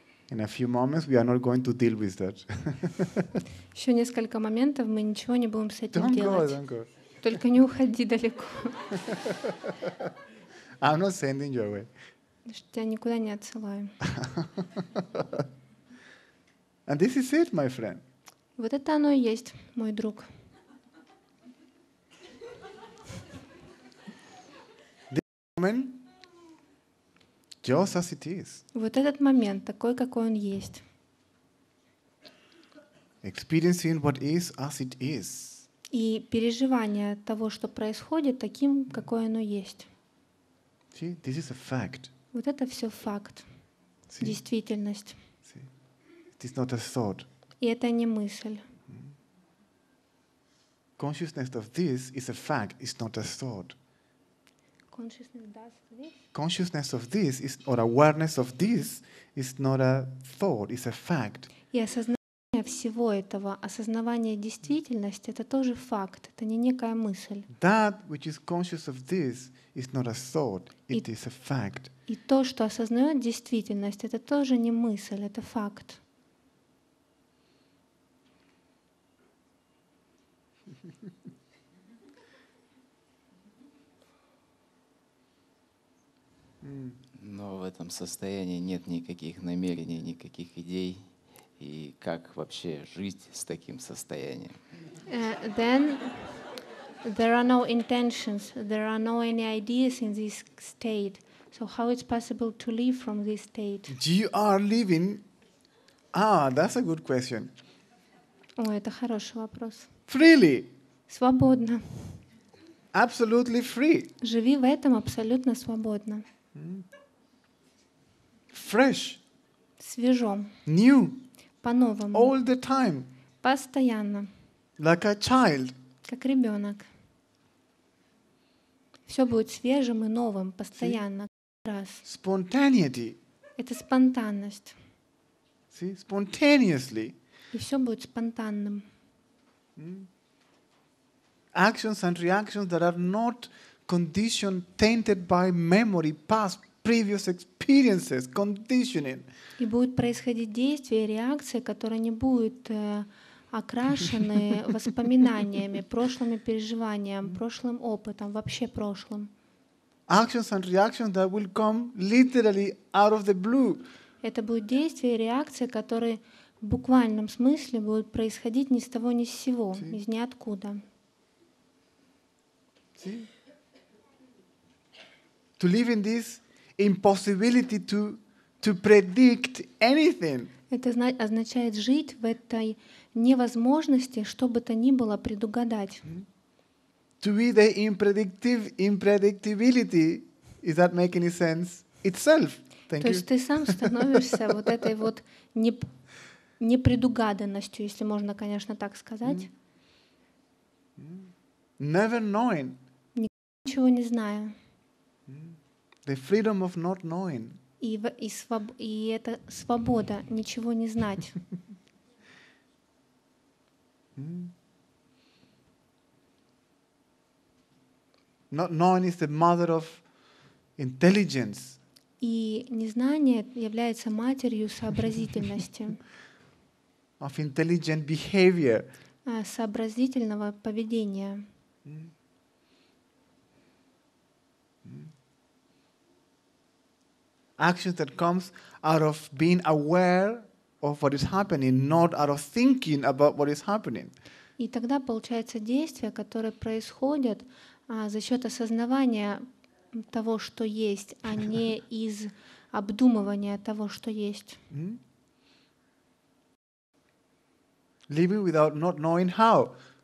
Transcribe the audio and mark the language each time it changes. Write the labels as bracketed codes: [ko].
[en] In a few moments we are not going to deal with that. [ru] Еще несколько моментов мы ничего не будем с этим делать. [en] Don't go. [ru] Только не уходи далеко. [en] I'm not sending you away. [ru] Тебя никуда не отсылаю. [en] And this is it, my friend. [ru] Вот это оно и есть, мой друг. [en] This moment, just as it is. [ru] Вот этот момент, такой, какой он есть. [en] Experiencing what is as it is. [ru] И переживание того, что происходит, таким, какое оно есть. [en] See, this is a fact. [ru] Вот это все факт. [en] See? [ru] Действительность. [en] It's not a thought. [ru] И это не мысль. [en] Consciousness of this is a fact. It's not a thought. Consciousness of this is, or awareness of this is not a thought. It's a fact. [ru] И осознание всего этого, осознавание действительности, это тоже факт. Это не некая мысль. [en] That which is conscious of this is not a thought. It is a fact. [ru] И то, что осознает действительность, это тоже не мысль. Это факт. Но в этом состоянии нет никаких намерений, никаких идей. И как вообще жить с таким состоянием? [en] Then there are no intentions, there are no any ideas in this state. So how it's possible to live from this state? You are living. Ah, that's a good question. [ru] Ой, это хороший вопрос. [en] Freely. [ru] Свободно. [en] Absolutely free. [ru] Живи в этом абсолютно свободно. [en] Fresh. [ru] Свежо. [en] New. [ru] По-новому. [en] All the time. [ru] Постоянно. [en] Like a child. [ru] Как ребенок. Все будет свежим и новым постоянно. [en] See? [ru] Раз. [en] Spontaneity. [ru] Это спонтанность. [en] See? Spontaneously. [ru] И все будет спонтанным. [en] Actions and reactions that are not conditioned, tainted by memory, past, previous experiences, conditioning. [ru] И будут происходить действия, реакции, которые не будут окрашены воспоминаниями, прошлыми переживаниями, прошлым опытом, вообще прошлым. [en] Actions and reactions that will come literally out of the blue. [ru] Это будут действия, реакции, которые в буквальном смысле будут происходить ни с того, ни с сего, из ниоткуда. [en] See? To live in this impossibility to predict anything. [ru] Это означает жить в этой невозможности, что бы то ни было предугадать. [en] To be the impredictability, is that make any sense itself? Thank you. [ru] То есть ты сам становишься вот этой вот непредугаданностью, если можно, конечно, так сказать. [en] Never knowing. [ru] Ничего не знаю. [en] The freedom of not knowing. [ru] И это свобода ничего не знать. [en] Not knowing is the mother of intelligence. [ru] И незнание является матерью сообразительности. [en] Of intelligent behavior. [ru] Сообразительного поведения. [en] Actions that comes out of being aware of what is happening, not out of thinking about what is happening. [ru] И тогда получается действия, которые происходят за счет осознавания того, что есть, а не из обдумывания того, что есть. [en] Living without not knowing how.